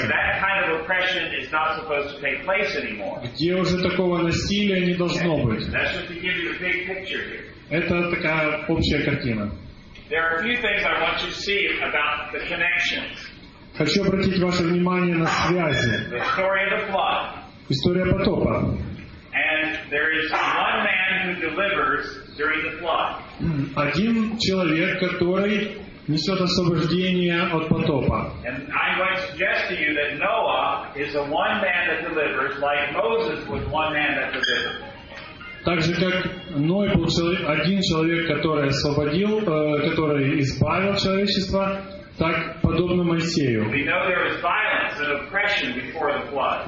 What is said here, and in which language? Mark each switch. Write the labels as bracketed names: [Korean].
[English] Where that kind of oppression is not supposed to take place anymore. [Russian] Где уже такого насилия не должно [English] okay. [Russian] быть. [English] That's just to give you the big picture here. [Russian] Это такая общая картина. [English] There are a few things I want you to see about the connections. [Russian] Хочу обратить ваше внимание на связи. [English] The story of the flood. [Russian] История потопа. [English] And there is one man who delivers during the flood. [Russian] Один человек, который несет освобождение от потопа. [English] And I would suggest to you that Noah is the one man that delivers, like Moses was one man that delivered. [Russian] Так же, как Ной был один человек, который освободил, который избавил человечество, так подобно Моисею. [English] We know there was violence and oppression before the flood.